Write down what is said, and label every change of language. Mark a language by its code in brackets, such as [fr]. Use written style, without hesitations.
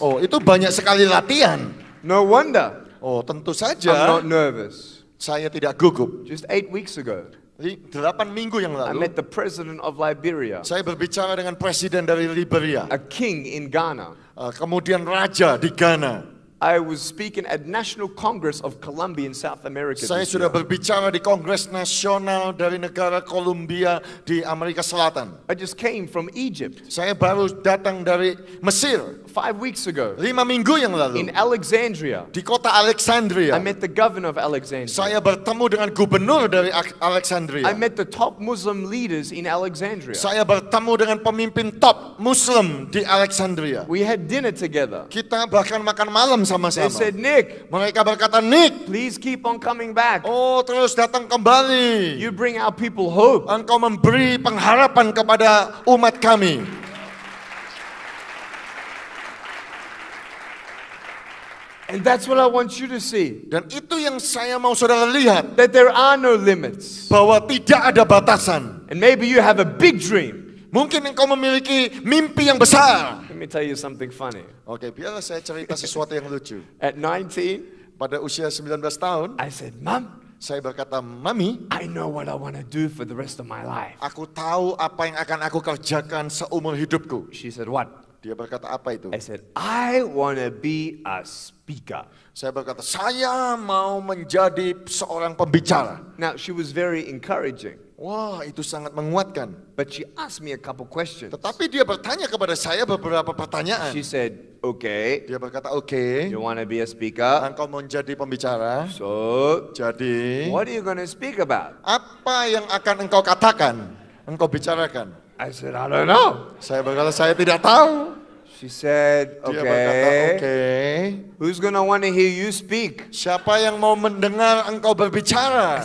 [id] Oh, itu banyak sekali latihan. [en] No wonder. [id] Oh, tentu saja. [en] I'm not nervous. [id] Saya tidak gugup. [en] Just 8 weeks ago. [id] 8 minggu yang lalu. [en] I met the president of Liberia. [id] Saya berbicara dengan presiden dari Liberia. [en] A king in Ghana. [id] Kemudian raja di Ghana. [en] I was speaking at National Congress of Colombia in South America. [id] Saya sudah berbicara di Kongres Nasional dari negara Kolombia di Amerika Selatan. [en] I just came from Egypt. [id] Saya baru datang dari Mesir. [en] 5 weeks ago. [id] 5 minggu yang lalu. [en] In Alexandria. [id] Di kota Alexandria. [en] I met the governor of Alexandria. [id] Saya bertemu dengan gubernur dari Alexandria. [en] I met the top Muslim leaders in Alexandria. [id] Saya bertemu dengan pemimpin top Muslim di Alexandria. [en] We had dinner together. [id] Kita bahkan makan malam sama-sama. [en] They said, Nick. [id] Mereka berkata, Nick. [en] Please keep on coming back. [id] Oh, terus datang kembali. [en] You bring our people hope. [id] Engkau memberi pengharapan kepada umat kami. [en] And that's what I want you to see. [id] Dan itu yang saya mau saudara lihat. [en] That there are no limits. [id] Bahwa tidak ada batasan. [en] And maybe you have a big dream. [id] Mungkin engkau memiliki mimpi yang besar. [en] Let me tell you something funny. [id] Okay, biarlah saya cerita sesuatu yang lucu. [en] At 19, [id] pada usia 19 tahun, [en] I said, "Mom," [id] saya berkata, "Mami, [en] I know what I want to do for the rest of my life." [id] Aku tahu apa yang akan aku kerjakan seumur hidupku. [en] She said, "What?" [id] Dia berkata, "Apa itu?" [en] I said, "I want to be a speaker." [id] Saya berkata, "Saya mau menjadi seorang pembicara." [en] Now, she was very encouraging. [id] Wah, itu sangat menguatkan. [en] But she asked me a couple questions. [id] Tetapi dia bertanya kepada saya beberapa pertanyaan. [en] She said, "Okay." [id] Dia berkata, "Okay." [en] "You want to be a speaker?" [id] "Engkau mau jadi pembicara?" [en] "So, [id] jadi." [en] "What are you going to speak about?" [id] "Apa yang akan engkau katakan? Engkau bicarakan?" [en] I said, "I don't know." [id] Saya berkata, "Saya tidak tahu." [en] She said, "Okay." [id] Dia berkata, "Okay." [en] "Who's going to want to hear you speak?" [id] Siapa yang mau mendengar engkau berbicara?